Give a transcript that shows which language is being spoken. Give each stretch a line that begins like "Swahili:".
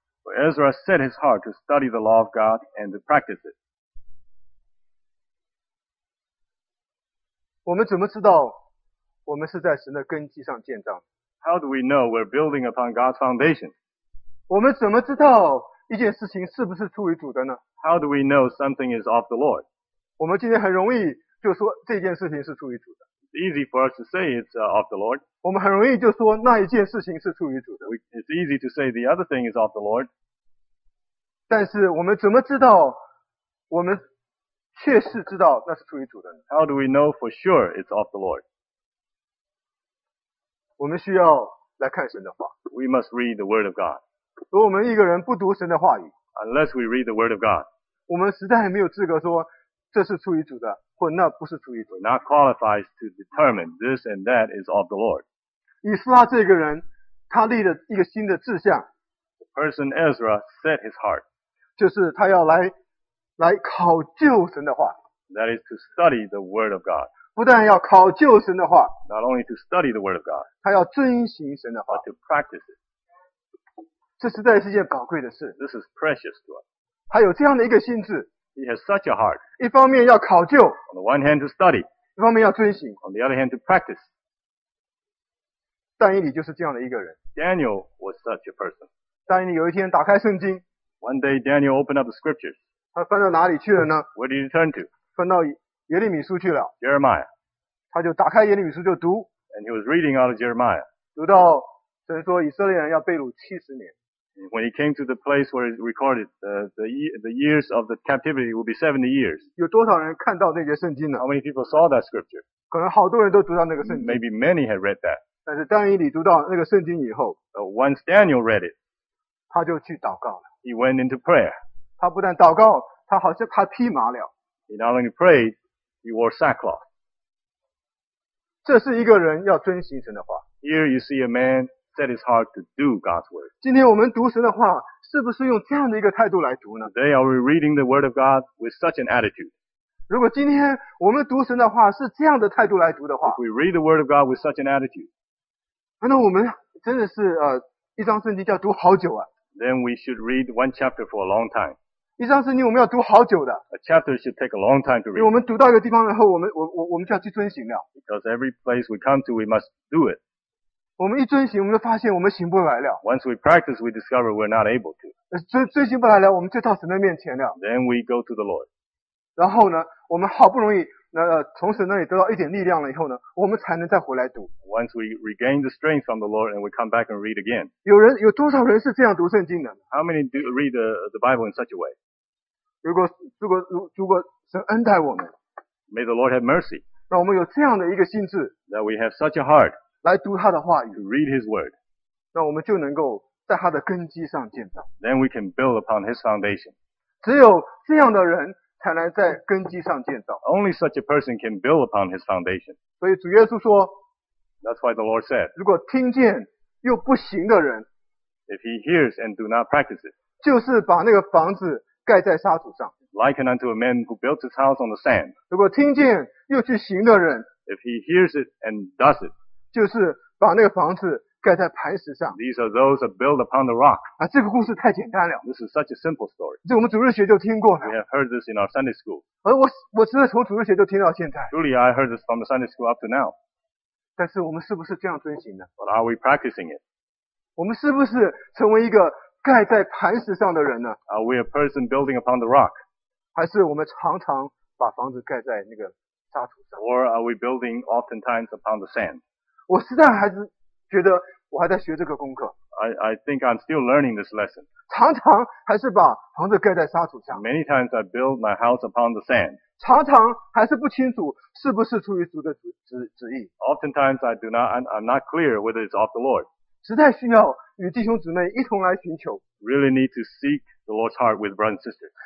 English: For Ezra set his heart to study the law of God and to practice it.
Chinese: 我们怎么知道我们是在神的根基上建造？
English: How do we know we're building upon God's foundation?
Chinese: 我们怎么知道一件事情是不是出于主的呢？
English: How do we know something is of the Lord?
Chinese: 我们今天很容易就说这件事情是出于主的。
English: It's easy for us to say it's of the Lord.
Chinese: 我们很容易就说那一件事情是出于主的。
English: It's easy to say the other thing is of the Lord.
Chinese: 但是我们怎么知道我们确实知道那是出于主的呢？
English: How do we know for sure it's of the Lord?
Chinese: 我们需要来看神的话。
English: We must read the word of God.
Chinese: 如果我们一个人不读神的话语，
English: Unless we read the word of God,
Chinese: 我们实在没有资格说这是出于主的，或那不是出于主的。
English: Not qualified to determine this and that is of the Lord.
Chinese: 以斯拉这个人，他立了一个新的志向。
English: The person Ezra set his heart,
Chinese: 就是他要来考究神的话。
English: That is to study the word of God.
Chinese: 不但要考究神的话，
English: Not only to study the word of God,
Chinese: 他要遵行神的话，
English: But to practice it.
Chinese: 这实在是件宝贵的事。
English: This is precious to us.
Chinese: 他有这样的一个心智。
English: He has such a heart.
Chinese: 一方面要考究。
English: On the one hand to study.
Chinese: 一方面要遵行。
English: On the other hand to practice.
Chinese: 但以理就是这样的一个人。
English: Daniel was such a person.
Chinese: 但以理有一天打开圣经。
English: One day Daniel opened up the scriptures.
Chinese: 他翻到哪里去了呢？
English: Where did he turn to?
Chinese: 翻到耶利米书去了。
English: Jeremiah.
Chinese: 他就打开耶利米书就读。
English: And he was reading out of Jeremiah.
Chinese: 读到神说以色列人要被掳七十年。
English: When he came to the place where it recorded the years of the captivity will be 70 years.
Chinese: 有多少人看到那些圣经呢？
English: How many people saw that scripture?
Chinese: 可能好多人都读到那个圣经。
English: Maybe many had read that.
Chinese: 但是但以理读到那个圣经以后，
English: Once Daniel read it,
Chinese: 他就去祷告了。
English: He went into prayer.
Chinese: 他不但祷告，他好像他披麻了。
English: He not only prayed, he wore sackcloth.
Chinese: 这是一个人要遵行神的话。
English: Here you see a man. Set his heart to do God's word.
Chinese: 今天我们读神的话，是不是用这样的一个态度来读呢？
English: Today are we reading the word of God with such an attitude?
Chinese: 如果今天我们读神的话是这样的态度来读的话，
English: If we read the word of God with such an attitude,
Chinese: 那我们真的是一张圣经就要读好久啊。
English: Then we should read one chapter for a long time.
Chinese: 一张圣经我们要读好久的。
English: A chapter should take a long time to read.
Chinese: 因为我们读到一个地方以后，我们就要去遵行了。
English: Because every place we come to, we must do it.
Chinese: 我们一遵行，我们就发现我们行不来了。
English: Once we practice, we discover we're not able to.
Chinese: 遵行不来了，我们就到神的面前了。
English: Then we go to the Lord.
Chinese: 然后呢，我们好不容易那从神那里得到一点力量了以后呢，我们才能再回来读。
English: Once we regain the strength from the Lord and we come back and read again.
Chinese: 有多少人是这样读圣经的？
English: How many do read the Bible in such a way?
Chinese: 如果神恩待我们。
English: May the Lord have mercy.
Chinese: 让我们有这样的一个心智。
English: That we have such a heart.
Chinese: 来读他的话语。
English: To read his word.
Chinese: 那我们就能够在他的根基上建造。
English: Then we can build upon his foundation.
Chinese: 只有这样的人才能在根基上建造。
English: Only such a person can build upon his foundation.
Chinese: 所以主耶稣说，
English: That's why the Lord said,
Chinese: 如果听见又不行的人，
English: If he hears and do not practice it,
Chinese: 就是把那个房子盖在沙土上。
English: Liken unto a man who built his house on the sand.
Chinese: 如果听见又去行的人，
English: If he hears it and does it,
Chinese: 就是把那个房子盖在磐石上。
English: These are those that build upon the rock.
Chinese: 啊，这个故事太简单了。
English: This is such a simple story.
Chinese: 这我们主日学就听过了。
English: We have heard this in our Sunday school.
Chinese: 我真的从主日学就听到现在。
English: Truly, I heard this from the Sunday school up to now.
Chinese: 但是我们是不是这样遵行的？
English: But are we practicing it?
Chinese: 我们是不是成为一个盖在磐石上的人呢？
English: Are we a person building upon the rock?
Chinese: 还是我们常常把房子盖在那个沙土上？
English: Or are we building oftentimes upon the sand?
Chinese: 我实在还是觉得我还在学这个功课。
English: I think I'm still learning this lesson.
Chinese: 常常还是把房子盖在沙土上。
English: Many times I build my house upon the sand.
Chinese: 常常还是不清楚是不是出于主的旨意。
English: Oftentimes I'm not clear whether it's of the Lord.
Chinese: 实在需要与弟兄姊妹一同来寻求。
English: Really need to seek the Lord's heart with brothers and sisters.